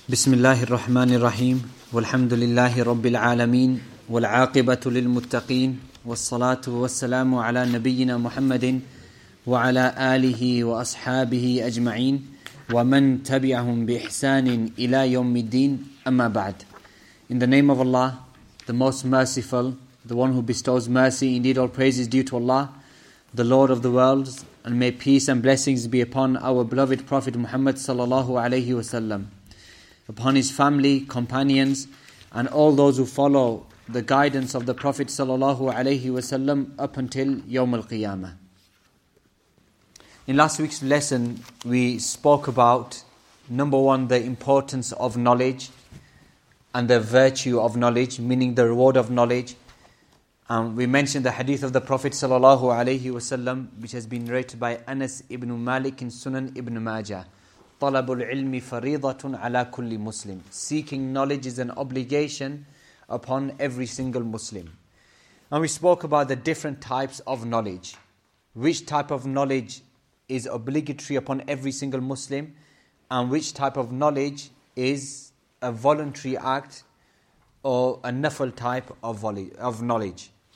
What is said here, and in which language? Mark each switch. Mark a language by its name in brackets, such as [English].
[Arabic] بسم الله الرحمن الرحيم والحمد لله رب العالمين والعاقبة للمتقين والصلاة والسلام على نبينا محمد وعلى آله وأصحابه أجمعين ومن تبعهم بإحسان إلى يوم الدين أما بعد. [English] In the name of Allah, the most merciful, the one who bestows mercy, indeed all praise is due to Allah, the Lord of the worlds, and may peace and blessings be upon our beloved Prophet Muhammad sallallahu alayhi wa sallam, upon his family, companions, and all those who follow the guidance of the Prophet sallallahu alayhi wa sallam up until Yawm al-Qiyamah. In last week's lesson, we spoke about, number one, the importance of knowledge and the virtue of knowledge, meaning the reward of knowledge. And we mentioned the hadith of the Prophet sallallahu alayhi wa sallam, which has been narrated by Anas ibn Malik in Sunan ibn Majah. [Arabic] طلب العلم فريضة على كل مسلم. [English] Seeking knowledge is an obligation upon every single Muslim. And we spoke about the different types of knowledge. Which type of knowledge is obligatory upon every single Muslim, and which type of knowledge is a voluntary act or a nafal type of knowledge.